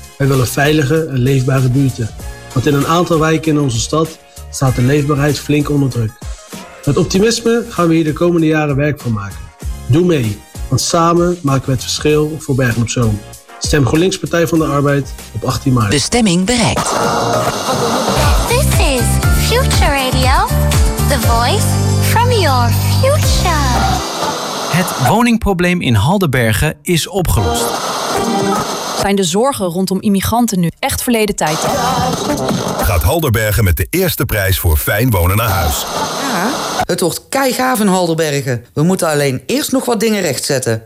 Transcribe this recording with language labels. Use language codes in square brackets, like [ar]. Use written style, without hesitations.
[nl] Wij willen veilige en leefbare buurten. Want in een aantal wijken in onze stad staat de leefbaarheid flink onder druk. Met optimisme gaan we hier de komende jaren werk van maken. Doe mee, want samen maken we het verschil voor Bergen op Zoom. Stem GroenLinks Partij van de Arbeid op 18 maart. De stemming bereikt. [en] This is Future Radio, the voice from your future. [nl] Het woningprobleem in Haldenbergen is opgelost. Zijn de zorgen rondom immigranten nu echt verleden tijd? Gaat Haldenbergen met de eerste prijs voor fijn wonen naar huis? Ja, het wordt keigaaf in Haldenbergen. We moeten alleen eerst nog wat dingen rechtzetten.